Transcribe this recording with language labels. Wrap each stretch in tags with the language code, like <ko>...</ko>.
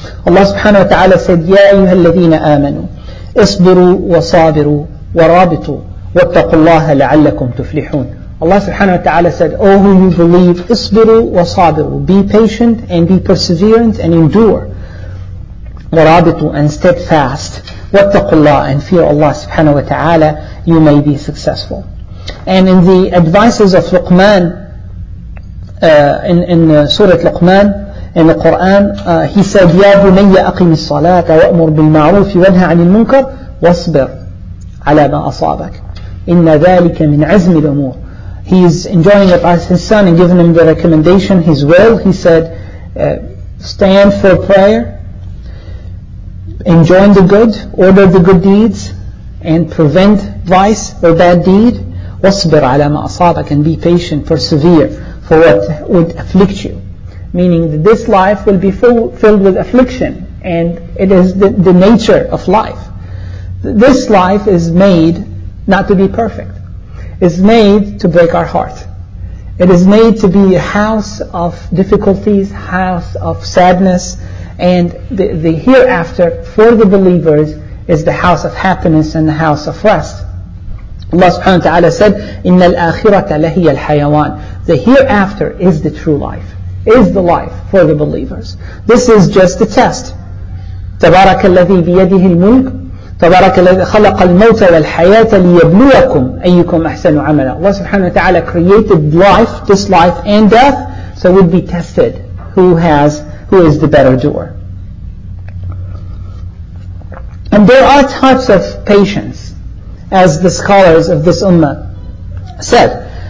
<en>Allah subhanahu wa ta'ala said,</en> <ar>يَا أَيُّهَا الَّذِينَ آمَنُوا اصبروا وصابروا ورابطوا واتقوا الله لعلكم تفلحون.</ar> <en>Allah subhanahu wa ta'ala said, O who you believe,</en> <ar>اصبروا وصابروا,</ar> <en>be patient and be perseverant and endure. ورابطوا, and steadfast.</en> <ar>واتقوا الله,</ar> <en>and fear Allah subhanahu wa ta'ala, you may be successful. And in the advices of Luqman, in Surah Luqman, in the Quran, he said,</en> <ar>يَا بُنَيَّ أَقِمِ الصَّلَاةَ وَأْمُرْ بِالْمَعْرُوفِ وَانْهَ عَنِ الْمُنْكَرِ وَاصْبِرْ عَلَى مَا أَصَابَكَ إِنَّ ذَلِكَ مِنْ عَزْمِ الْأُمُورِ.</ar> <en>He is enjoining upon his son and giving him the recommendation, his will. He said, stand for prayer, enjoin the good, order the good deeds, and prevent vice or bad deed.</en> <ar>وَاصْبِرْ عَلَى مَا أَصَابَكَ,</ar> <en>and be patient, persevere for what would afflict you. Meaning that this life will be filled with affliction, and it is the nature of life. This life is made not to be perfect. It's made to break our heart. It is made to be a house of difficulties, house of sadness, And the hereafter for the believers is the house of happiness and the house of rest. Allah subhanahu wa ta'ala said,</en> <ar>إِنَّ الْآخِرَةَ لَهِيَ الْحَيَوَانِ.</ar> <en>The hereafter is the true life, is the life for the believers. This is just the test.</en> <ar>تبارك الذي بيده الملك تبارك الذي خلق الموت والحياة ليبلوكم أيكم أحسن عملا.</ar> <en>Allah subhanahu wa ta'ala created life, this life and death, so we'd be tested who is the better doer. And there are types of patience, as the scholars of this ummah said.</en>